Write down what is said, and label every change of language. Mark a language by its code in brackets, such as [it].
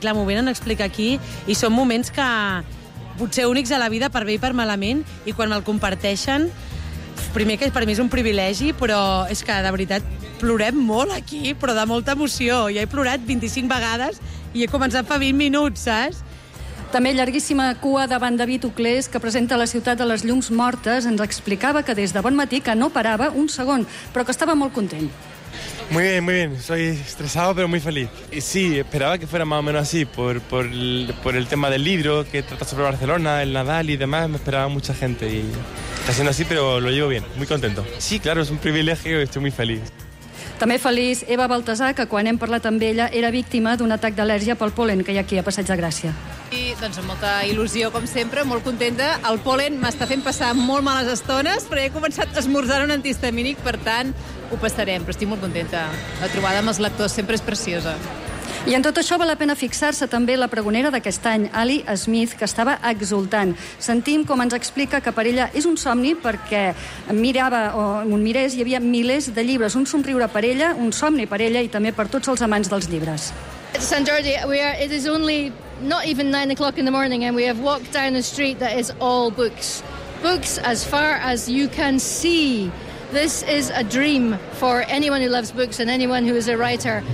[ca] I clar, m'ho venen a explicar aquí i són moments que potser únics a la vida per bé i per malament i quan me'l comparteixen, primer que per mi és un privilegi, però és que de veritat plorem molt aquí, però de molta emoció. Ja he plorat 25 vegades i he començat fa 20 minuts, saps? També llarguíssima cua davant David Uclés, que presenta la ciutat de les llums mortes, ens explicava que des de bon matí que no parava un segon, però que estava molt content. [es] Muy bien, muy bien. Soy estresado, pero muy feliz. Y sí, esperaba que fuera más o menos así, por el tema del libro que trata sobre Barcelona, el Nadal y demás. Me esperaba mucha gente y está siendo así, pero lo llevo bien. Muy contento. Sí, claro, es un privilegio y estoy muy feliz. [ca] També feliç Eva Baltasar, que quan hem parlat amb ella era víctima d'un atac d'al·lèrgia pel pol·len que hi ha aquí a Passeig de Gràcia. I, doncs amb molta il·lusió, com sempre, molt contenta. El pol·len m'està fent passar molt males estones, però he començat a esmorzar un antihistamínic, per tant, ho passarem, però estic molt contenta. La trobada amb els lectors sempre és preciosa. I en tot això val la pena fixar-se també la pregonera d'aquest any, Ali Smith, que estava exultant. Sentim com ens explica que per ella és un somni perquè mirava o un mirés hi havia milers de llibres. Un somriure per ella, un somni per ella i també per tots els amants dels llibres. [en] It's Sant Jordi, it is only not even 9 o'clock in the morning and we have walked down a street that is all books. Books as far as you can see. This is a dream for anyone who loves books and anyone who is a writer.